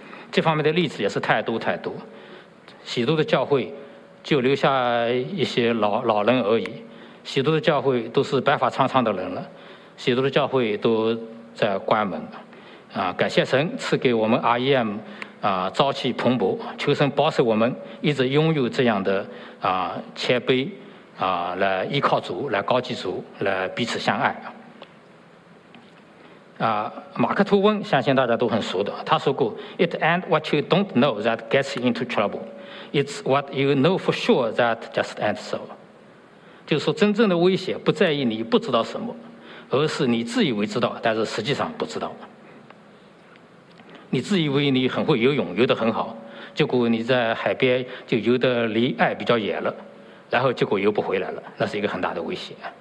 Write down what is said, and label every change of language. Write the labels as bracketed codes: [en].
[zh] 这方面的例子也是太多太多，许多的教会就留下一些老人而已，许多的教会都是白发苍苍的人了，许多的教会都在关门。感谢神赐给我们 REM 朝气蓬勃，求神保守我们一直拥有这样的谦卑来依靠主，来高举主，来彼此相爱。马克吐温相信大家都很熟的，他说过 [en] It ain't what you don't know that gets you into trouble, it's what you know for sure that just ain't so。 [zh] 就是说真正的危险不在于你不知道什么，而是你自以为知道但是实际上不知道。你自以为你很会游泳，游得很好，结果你在海边就游得离岸比较远了，然后结果游不回来了，那是一个很大的威胁。